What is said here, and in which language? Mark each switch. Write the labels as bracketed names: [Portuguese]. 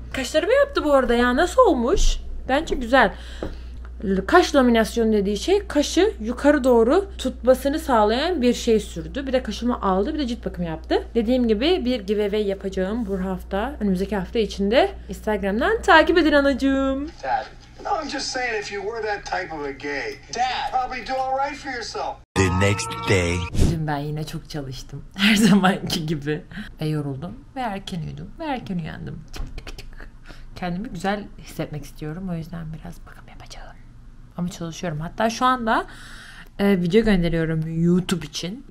[Turkish] Kaşlarımı yaptı bu arada ya. Nasıl olmuş? Bence güzel. Kaş laminasyonu dediği şey, kaşı yukarı doğru tutmasını sağlayan bir şey sürdü. Bir de kaşımı aldı, bir de cilt bakımı yaptı. Dediğim gibi bir giveaway yapacağım bu hafta, önümüzdeki hafta içinde. Instagram'dan takip edin anacığım. [English] No, I'm just saying if you were that type of a gay, Dad, probably do all right for yourself. The next day. [Turkish] Dün ben yine çok çalıştım, her zamanki gibi. Ve yoruldum, ve erken uyudum, ve erken uyandım. Kendimi güzel hissetmek istiyorum, o yüzden biraz bakalım. Ama çalışıyorum. Hatta şu anda video gönderiyorum YouTube için.